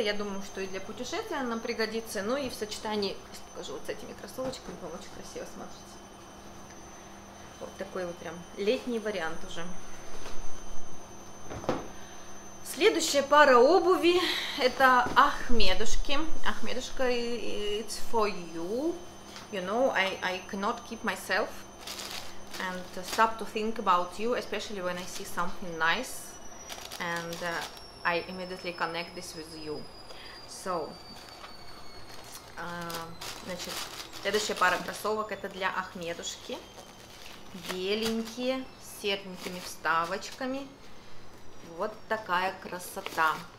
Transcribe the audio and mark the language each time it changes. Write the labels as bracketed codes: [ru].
[ru] Я думаю, что и для путешествия она нам пригодится. Ну и в сочетании, скажу, вот с этими кроссовочками, по-моему, очень красиво смотрится. Вот такой вот прям летний вариант уже. Следующая пара обуви, это Ахмедушки. [en] Ахмедушка, it's for you. You know, I cannot keep myself and stop to think about you, especially when I see something nice. And I immediately connect this with you. So, [ru] значит, следующая пара кроссовок, это для Ахмедушки. Беленькие, с серенькими вставочками. Вот такая красота.